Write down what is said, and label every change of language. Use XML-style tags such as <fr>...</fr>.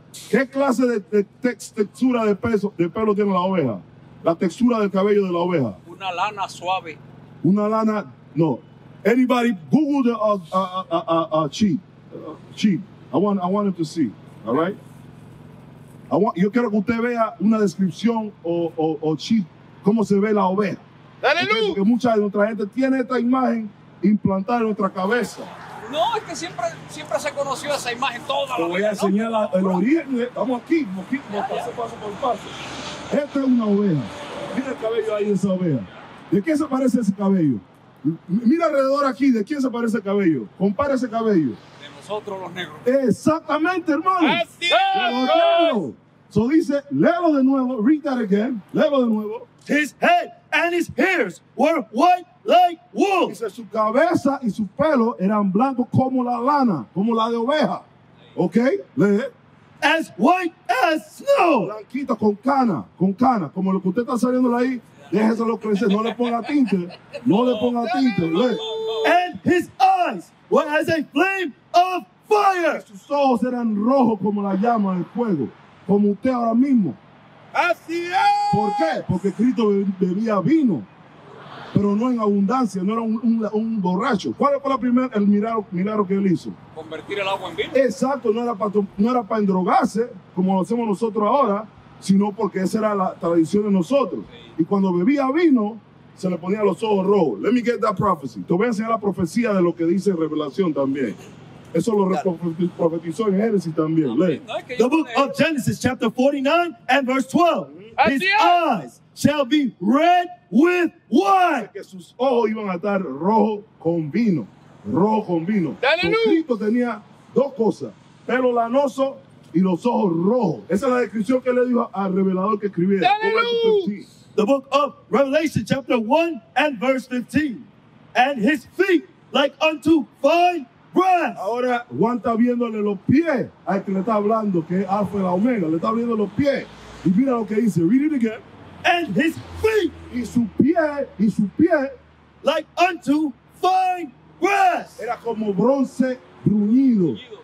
<es>¿Qué clase de textura de pelo tiene la oveja? La textura del cabello de la oveja. Una lana suave. Una lana, no.</es> <en>Anybody, Google the sheep. I want him to see, all right?</en> <es>Yo quiero que usted vea una descripción o sheep, cómo se ve la oveja. ¡Dale luz! Porque mucha de nuestra gente tiene esta imagen implantada en nuestra cabeza. No, es que siempre se conoció esa imagen toda la vida. Te voy a enseñar el origen. Vamos aquí, paso por paso. Esta es una oveja. Mira el cabello ahí de esa oveja. ¿De quién se parece ese cabello? Mira alrededor aquí, ¿de quién se parece el cabello? Compara ese cabello. De nosotros los negros. Exactamente, hermano. ¡Así es! So dice, léelo de nuevo,</es> <en>read that again,</en> <es>léelo de nuevo.</es> <en>His head and his hairs were white like wool.</en> <es>Dice, su cabeza y su pelo eran blancos como la lana, como la de oveja. ¿Ok? Lee.</es> <en>As white as snow.</en> <es>Blanquito, con cana, como lo que usted está saliendo ahí. Déjeselo crecer, no le ponga tinte.</es> <en>And his eyes were as a flame of fire.</en> <es>Y sus ojos eran rojos como la llama del fuego. Como usted ahora mismo. Así es. ¿Por qué? Porque Cristo bebía vino. Pero no en abundancia, no era un borracho. ¿Cuál fue el milagro que él hizo? Convertir el agua en vino. Exacto, no era para endrogarse, como lo hacemos nosotros ahora. Sino porque esa era la tradición de nosotros. Sí. Y cuando bebía vino, se le ponía los ojos rojos.</es> <en>Let me get that prophecy.</en> <es>Te voy a enseñar la profecía de lo que dice Revelación también. Eso lo profetizó en Génesis también. No, lee. No, es que</es> <en>the book of Genesis, chapter 49 and verse 12. His eyes shall be red with wine.</en> <es>Que sus ojos iban a estar rojo con vino. Rojo con vino. Cristo tenía dos cosas. Pelo lanoso y los ojos rojos. Esa es la descripción que le dijo al revelador que escribiera. Dale luz.</es> <en>The book of Revelation chapter 1 and verse 15. And his feet like unto fine brass.</en> <es>Ahora Juan está viéndole los pies al que le está hablando, que es Alfa y la Omega. Le está viendo los pies. Y mira lo que dice.</es> <en>Read it again. And his feet.</en> <es>Y su pie.</es> <en>Like unto fine brass.</en> <es>Era como bronce bruñido.</es>